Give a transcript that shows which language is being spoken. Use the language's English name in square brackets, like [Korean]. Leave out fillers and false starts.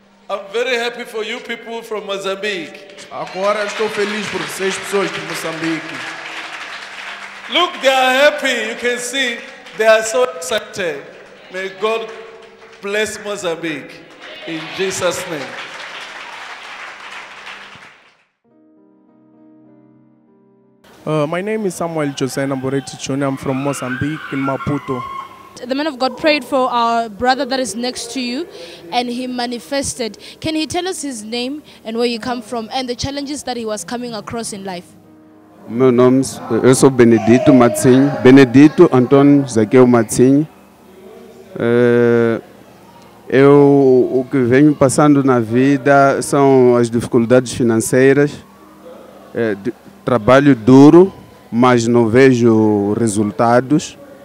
[English] I'm very happy for you people from Mozambique. [Portuguese] Agora estou feliz por vocês pessoas de Moçambique. [English] Look, they are happy. You can see they are so excited. May God bless Mozambique in Jesus' name. My name is Samuel Jose Namboreti Jr. I'm from Mozambique in Maputo. The man of God prayed for our brother that is next to you and he manifested. Can he tell us his name and where he come from and the challenges that he was coming across in life? [Portuguese] Meu nome é sou Benedito Matzinho, Benedito Antônio Zaqueu Matzinho. Eu o que venho passando na vida são as dificuldades financeiras, trabalho duro, mas não vejo resultados.